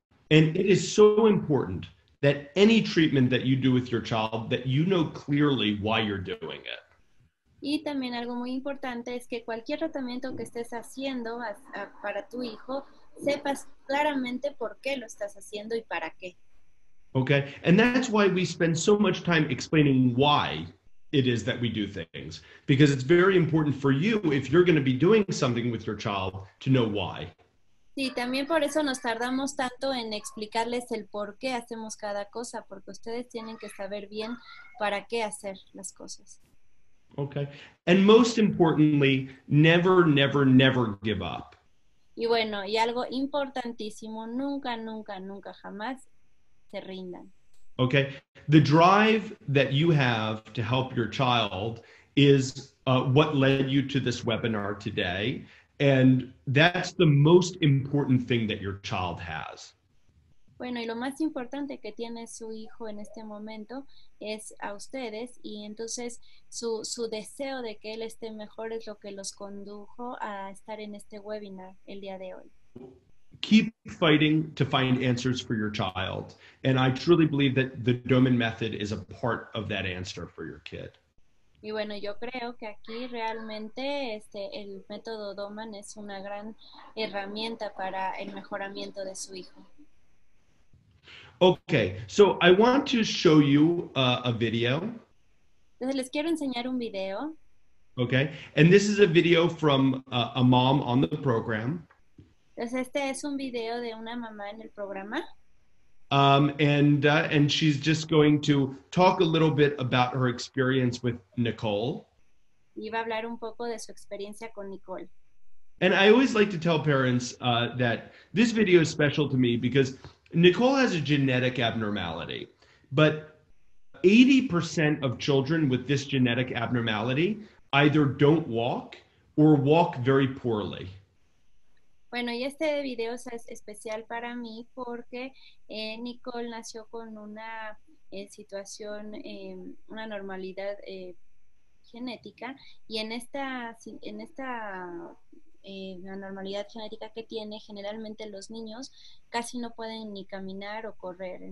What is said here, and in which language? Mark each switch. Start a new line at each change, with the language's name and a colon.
English: And it is so important that any treatment that you do with your child that you know clearly why you're doing it.
Spanish: Y también algo muy importante es que cualquier tratamiento que estés haciendo para tu hijo, sepas claramente por qué lo estás haciendo y para qué.
English: Okay, and that's why we spend so much time explaining why it is that we do things. Because it's very important for you, if you're going to be doing something with your child, to know why.
Spanish: Sí, también por eso nos tardamos tanto en explicarles el por qué hacemos cada cosa, porque ustedes tienen que saber bien para qué hacer las cosas.
English: Okay, and most importantly, never, never, never give up.
Spanish: Y bueno, y algo importantísimo, nunca, nunca, nunca, jamás se rindan.
English: Okay. The drive that you have to help your child is what led you to this webinar today. And that's the most important thing that your child has.
Spanish: Bueno, y lo más importante que tiene su hijo en este momento es a ustedes, y entonces su deseo de que él esté mejor es lo que los condujo a estar en este webinar el día de hoy.
English: Keep fighting to find answers for your child, and I truly believe that the Doman method is a part of that answer for your kid.
Spanish: Y bueno, yo creo que aquí realmente el método Doman es una gran herramienta para el mejoramiento de su hijo.
English: Okay, so I want to show you a video.
Spanish: Entonces les quiero enseñar un video.
English: Okay, and this is a video from a mom on the program.
Spanish: Entonces este es un video de una mamá en el programa.
English: And she's just going to talk a little bit about her experience with Nicole.
Spanish: Y va a hablar un poco de su experiencia con Nicole.
English: And I always like to tell parents that this video is special to me because Nicole has a genetic abnormality, but 80% of children with this genetic abnormality either don't walk or walk very poorly.
Spanish: Bueno, y este video es especial para mí porque Nicole nació con una situación, una normalidad genética, y la normalidad genética que tiene, generalmente los niños casi no pueden ni caminar o correr.